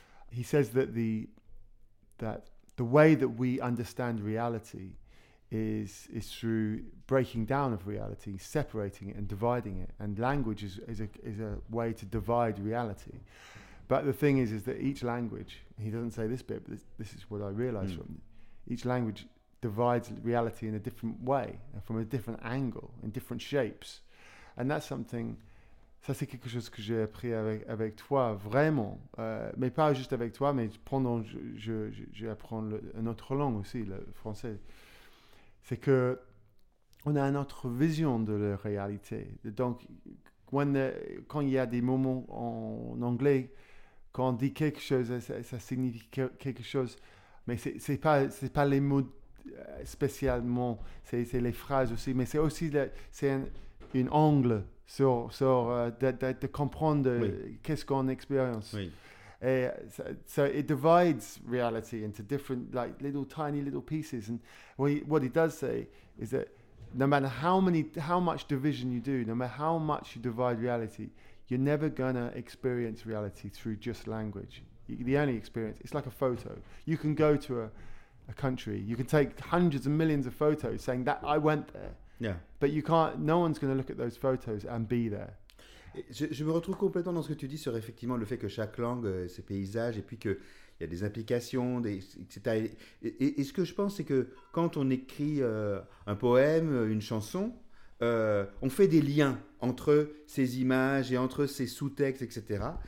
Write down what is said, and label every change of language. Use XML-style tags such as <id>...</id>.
<en>He says that the way that we understand reality is through breaking down of reality, separating it and dividing it. And language is a way to divide reality. But the thing is that each language, he doesn't say this bit, but this is what I realized from it. Each language divides reality in a different way, from a different angle, in different shapes. And that's something,</en> <fr>ça c'est quelque chose que j'ai appris avec toi, vraiment. Mais pas juste avec toi, mais pendant je apprends une autre langue aussi, le français. C'est que on a une autre vision de la réalité. Donc, quand il y a des moments en anglais, quand on dit quelque chose, ça signifie quelque chose, mais c'est pas les mots spécialement, c'est les phrases aussi, mais c'est aussi une angle de comprendre qu'est-ce qu'on expérience. Oui.</fr> <en>Et so it divides reality into different, like, little tiny little pieces. And what he does say is that no matter how much division you do, no matter how much you divide reality, you're never gonna experience reality through just language. The only experience, it's like a photo. You can go to a country, you can take hundreds and millions of photos saying that I went there. Yeah. But you can't. No one's going to look at those photos and be there.</en> <fr>Je me retrouve complètement dans ce que tu dis sur effectivement le fait que chaque langue, ses paysages, et puis que il y a des implications, etc. Et ce que je pense, c'est que quand on écrit un poème, une chanson, on fait des liens entre ces images et entre ces sous-textes, etc.</fr>